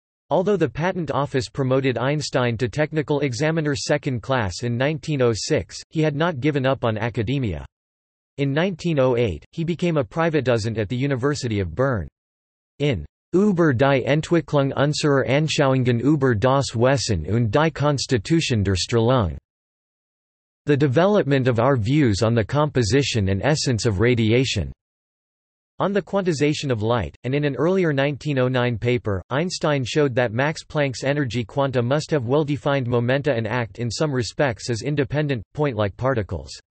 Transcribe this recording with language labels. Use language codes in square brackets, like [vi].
[en] Although the Patent Office promoted Einstein to Technical Examiner Second Class in 1906, he had not given up on academia. In 1908, he became a privatdozent at the University of Bern. In [de] Über die Entwicklung unserer Anschauungen über das Wesen und die Konstitution der Strahlung. [en] The development of our views on the composition and essence of radiation. On the quantization of light, and in an earlier 1909 paper, Einstein showed that Max Planck's energy quanta must have well-defined momenta and act in some respects as independent, point-like particles.